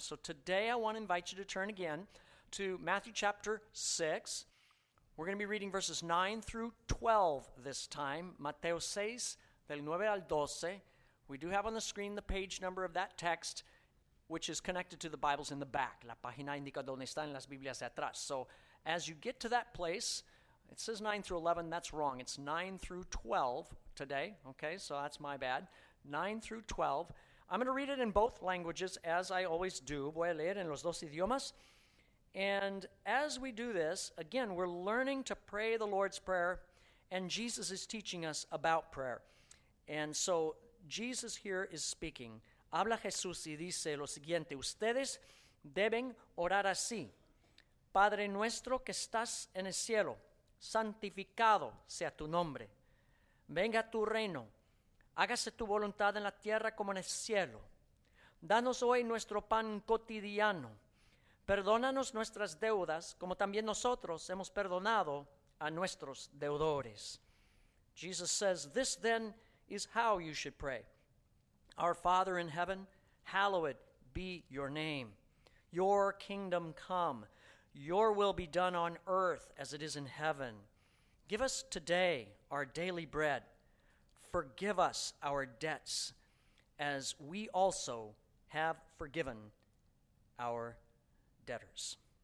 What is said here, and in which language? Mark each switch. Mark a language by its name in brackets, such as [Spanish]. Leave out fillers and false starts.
[English] So today I want to invite you to turn again to Matthew chapter 6. We're going to be reading verses 9 through 12 this time. [Spanish] Mateo 6, del 9 al 12. [English] We do have on the screen the page number of that text, which is connected to the Bibles in the back. [Spanish] La página indica donde están las Biblias atrás. [English] So as you get to that place, it says 9 through 11. That's wrong. It's 9 through 12 today. Okay, so that's my bad. 9 through 12. I'm going to read it in both languages, as I always do. [Spanish] Voy a leer en los dos idiomas. [English] And as we do this, again, we're learning to pray the Lord's Prayer, and Jesus is teaching us about prayer. And so Jesus here is speaking. [Spanish] Habla Jesús y dice lo siguiente: ustedes deben orar así. Padre nuestro que estás en el cielo, santificado sea tu nombre. Venga tu reino. Hágase tu voluntad en la tierra como en el cielo. Danos hoy nuestro pan cotidiano. Perdónanos nuestras deudas como también nosotros hemos perdonado a nuestros deudores. [English] Jesus says, this then is how you should pray. Our Father in heaven, hallowed be your name. Your kingdom come. Your will be done on earth as it is in heaven. Give us today our daily bread. Forgive us our debts as we also have forgiven our debtors.